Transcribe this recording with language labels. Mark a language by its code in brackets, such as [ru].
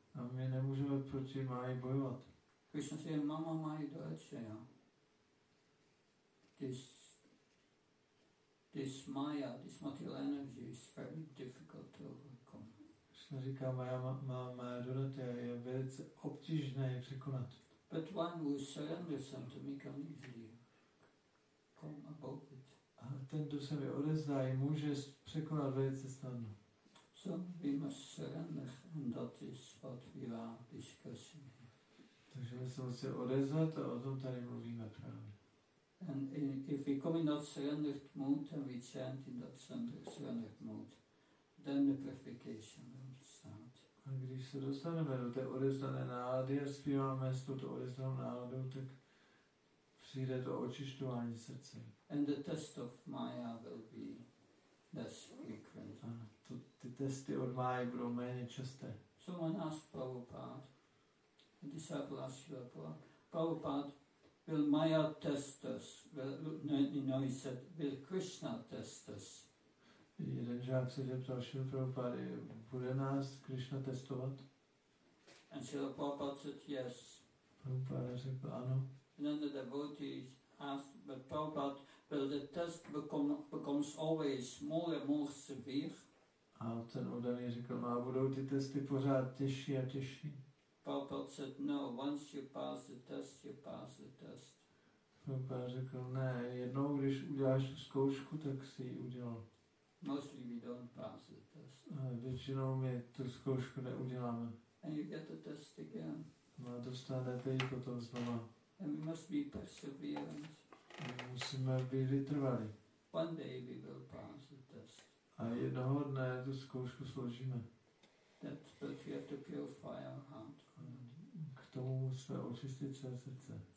[cs] A my nemůžeme proti Maya bojovat. [en] Krishna says, [sa] Mama Maya Dorcheya. [en] This Maya, this material energy is very difficult to overcome. [cs] Krishna říká, Maya Dorcheya je velice obtížné překonat. [en] But one who surrenders unto me can easily come above it. [cs] A ten, kdo se mi odezdá, může překonat velice snadno. [en] So we must surrender, and that is what we are discussing here. [cs] Takže my se musíme odezvat a o tom tady mluvíme právě. [en] And if we come in that surrendered mood and we chant in that surrendered mood, then the purification will start. [cs] A když se dostaneme do té odevzdané nálady a zpíváme s touto odevzdanou náladou, tak přijde to očišťování srdce. [en] And the test of Maya will be less frequent. [cs] A to, ty testy od Maya budou méně časté. [en] Someone asked Prabhupada, a disciple asked Prabhupada, Prabhupada, will Maya test us? He said, will Krishna test us? [cs] Jeden žák se zeptal Srila Prabhupada, bude nás Krishna testovat? [en] And Srila Prabhupada said yes. [cs] Prabhupada řekl ano. [en] And then the devotees asked, but Prabhupada, will the test becomes always more and more severe? [cs] A ten oddaný řekl, a budou ty testy pořád těžší a těžší? [en] Prabhupada said no, once you pass the test, you pass the test. [cs] Prabhupada řekl, ne, jednou když uděláš zkoušku, tak si ji udělal. [en] Mostly we don't pass the test. [cs] A většinou my tu zkoušku neuděláme. [en] And you get the test again. [cs] No a dostanete ji potom znova. [en] And we must be perseverant. [cs] A musíme být vytrvali. [en] One day we will pass the test. [cs] A jednoho dne tu zkoušku složíme. [en] That we have to purify our heart. [cs] K tomu musíme očistit své srdce.